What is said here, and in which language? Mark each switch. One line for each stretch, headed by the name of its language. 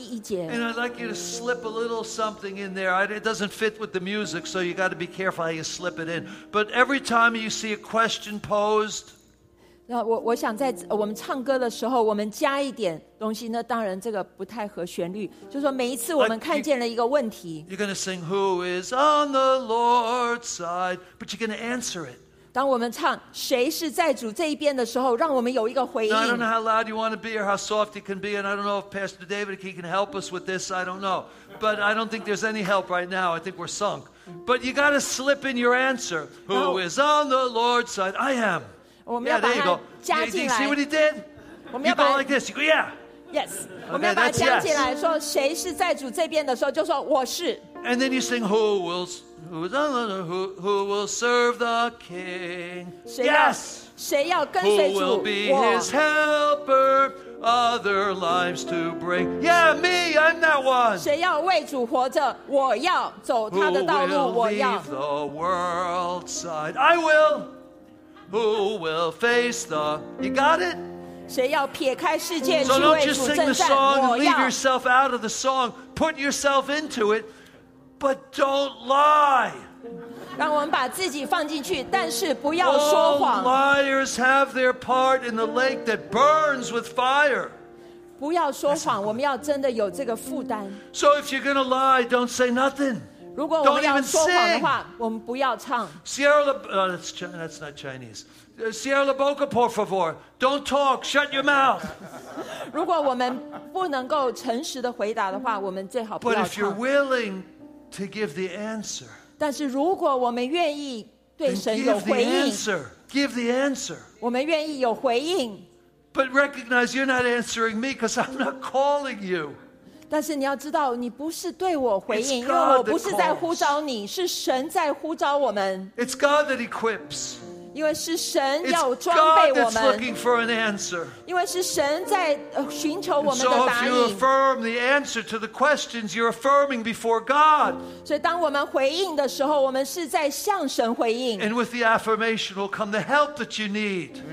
English: And I'd like you to slip a little something in there. It doesn't fit with the music, so you got to be careful how you slip it in. But every time you see a question posed,
Chinese: 我想在我们唱歌的时候，我们加一点东西。那当然，这个不太合旋律。就是说每一次我们看见了一个问题
English: ，You're going to sing "Who is on the Lord's side," but you're going to answer it.
Chinese: 当我们唱谁是在主这一边的时候，让我们有一个回应。
English: Now, I don't know how loud you want to be or how soft you can be, and I don't know if Pastor David he can help us with this. I don't know, but I don't think there's any help right now. I think we're sunk. But you got to slip in your answer. Who is on the Lord's side? I am. Yeah, there you go.
Chinese: 加进来。
English: You see what he did? You go like this. You go, yeah. Yes.
Chinese: Okay, 我们要把它加进来，说谁是在主这边的时候，就说我是。
English: And then you sing, Who will? Who will serve the king?
Chinese: Yes! 谁要跟随主?
English: Who will be his helper? Other lives to bring. Yeah, me, I'm that one!
Chinese: 谁要为主活着?我要走他的道路,我要。
English: Who will leave the world's side? I will! Who will face the... You got it?
Chinese: 谁要撇开世界去为主征战?
English: So don't just sing the song and leave yourself out of the song. Put yourself into it. But don't lie.
Chinese: 让我们把自己放进去，但是不要说谎。
English: All liars have their part in the lake that burns with fire.
Chinese: 不要说谎，我们要真的有这个负担。
English: So if you're gonna lie, don't say nothing.
Chinese: 如果我们要说谎的话，我们不要唱。
English: That's not Chinese.
Spanish: Cierra la boca, por favor.
English: Don't talk. Shut your mouth.
Chinese: 如果我们不能够诚实的回答的话，我们最好不要唱。
English: But if you're willing. To give the answer.
Chinese: 但是如果我们愿意对神有回应
English: give the answer. Give the answer.
Chinese: 我们愿意有回应
English: But recognize you're not answering me because I'm not calling you.
Chinese: 但是你要知道你不是对我回应因为我不是在呼召你是神在呼召我们
English: It's God that equips.
Chinese: 因为是神要装备我们
English: It's God that's looking for an answer.
Chinese: 因为是神在寻求我们的答应
English: So if you affirm the answer to the questions, you're affirming before God.
Chinese: 所以当我们回应的时候我们是在向神回应
English: And with the affirmation will come the help that you need.